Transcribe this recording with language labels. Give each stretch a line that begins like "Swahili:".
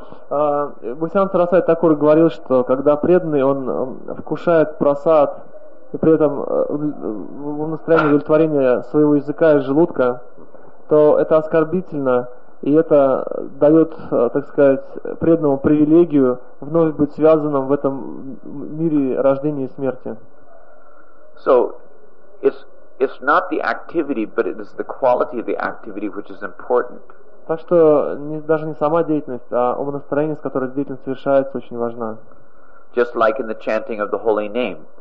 Russian: Бхактисиддханта Сарасвати Такур говорил, что когда преданный, он вкушает прасад, и при этом в настроении удовлетворения своего языка и желудка, то это оскорбительно, и это дает, так сказать, преданному привилегию вновь быть связанным в этом мире рождения и смерти.
English: So, it's not the activity, but it is the quality of the activity which is important.
Russian: Так что даже не сама деятельность, а умонастроение, с которой деятельность совершается, очень важна.
English: Just like in the chanting of the holy name.